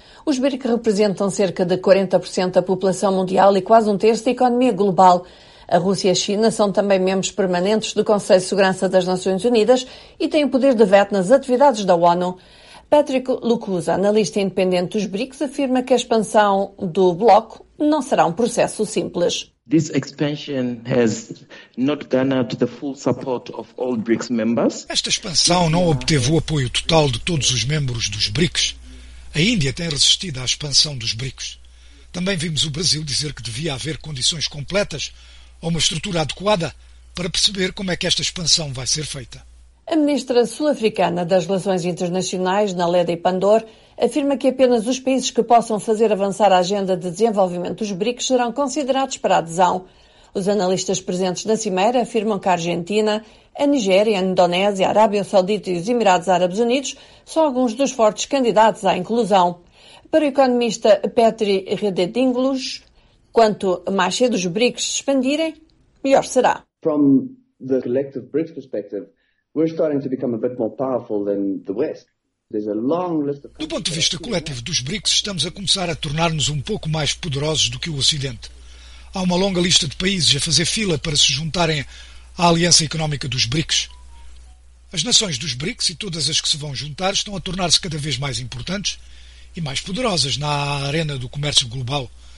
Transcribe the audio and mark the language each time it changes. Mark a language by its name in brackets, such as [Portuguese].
[Portuguese] Os BRICS representam cerca de 40% da população mundial e quase um terço da economia global. A Rússia e a China são também membros permanentes do Conselho de Segurança das Nações Unidas e têm o poder de veto nas atividades da ONU. Patrick Lukusa, analista independente dos BRICS, afirma que a expansão do bloco não será um processo simples. [English] This expansion has not garnered the full support of all BRICS members. [Portuguese] Esta expansão não obteve o apoio total de todos os membros dos BRICS. A Índia tem resistido à expansão dos BRICS. Também vimos o Brasil dizer que devia haver condições completas ou uma estrutura adequada para perceber como é que esta expansão vai ser feita. A ministra sul-africana das Relações Internacionais, Naledi Pandor, afirma que apenas os países que possam fazer avançar a agenda de desenvolvimento dos BRICS serão considerados para adesão. Os analistas presentes na Cimeira afirmam que a Argentina, a Nigéria, a Indonésia, a Arábia Saudita e os Emirados Árabes Unidos são alguns dos fortes candidatos à inclusão. Para o economista Petri Redetinglos, quanto mais cedo os BRICS se expandirem, melhor será. [English] From the collective BRICS perspective, we're starting to become a bit more powerful than the West. [Portuguese] Do ponto de vista coletivo dos BRICS, estamos a começar a tornar-nos um pouco mais poderosos do que o Ocidente. Há uma longa lista de países a fazer fila para se juntarem à Aliança Económica dos BRICS. As nações dos BRICS e todas as que se vão juntar estão a tornar-se cada vez mais importantes e mais poderosas na arena do comércio global.